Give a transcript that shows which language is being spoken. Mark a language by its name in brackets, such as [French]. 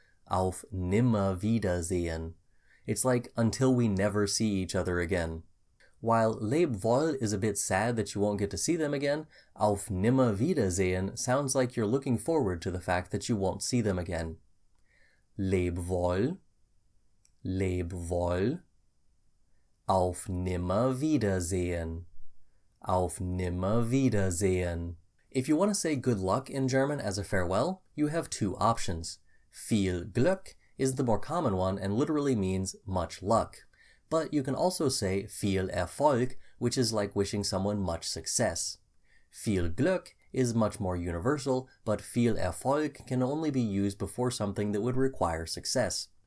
[German] Auf nimmer Wiedersehen. [English] It's like until we never see each other again. While [German] leb wohl [English] is a bit sad that you won't get to see them again, [German] auf nimmer Wiedersehen [English] sounds like you're looking forward to the fact that you won't see them again. [German] Leb wohl. Leb wohl. Auf nimmer Wiedersehen. Auf nimmer Wiedersehen. [English] If you want to say good luck in German as a farewell, you have two options. [German] Viel Glück [English] is the more common one and literally means much luck. But you can also say [German] viel Erfolg, [English] which is like wishing someone much success. [German] Viel Glück [English] is much more universal, but [German] viel Erfolg [English] can only be used before something that would require success.